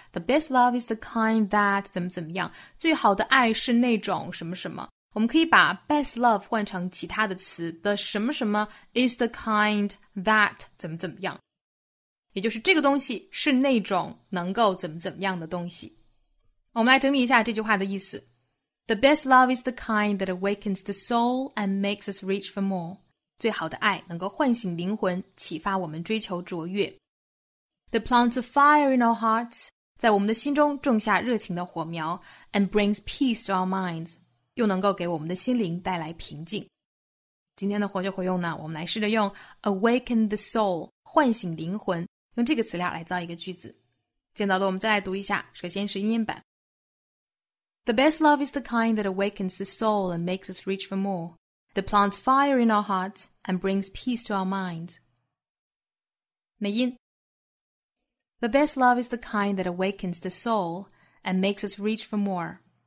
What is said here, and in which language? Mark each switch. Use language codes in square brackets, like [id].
[en] The best love is the kind that, [zh] 怎么怎么样。最好的爱是那种什么什么。我们可以把 best love 换成其他的词。 [en] The 什么什么 is the kind that, [zh] 怎么怎么样。也就是这个东西是那种能够怎么怎么样的东西。我们来整理一下这句话的意思。 [en] The best love is the kind that awakens the soul and makes us reach for more. [zh] 最好的爱能够唤醒灵魂，启发我们追求卓越。 [en] The plants of fire in our hearts, [zh] 在我们的心中种下热情的火苗 [en] and brings peace to our minds, [zh] 又能够给我们的心灵带来平静。今天的活就活用呢，我们来试着用 [en] awaken the soul, [zh] 唤醒灵魂，用这个词料来造一个句子。见到的我们再来读一下，首先是英音版。 [en] The best love is the kind that awakens the soul and makes us reach for more. That plants fire in our hearts and brings peace to our minds. [zh] 美音。 [en] The best love is the kind that awakens the soul and makes us reach for more.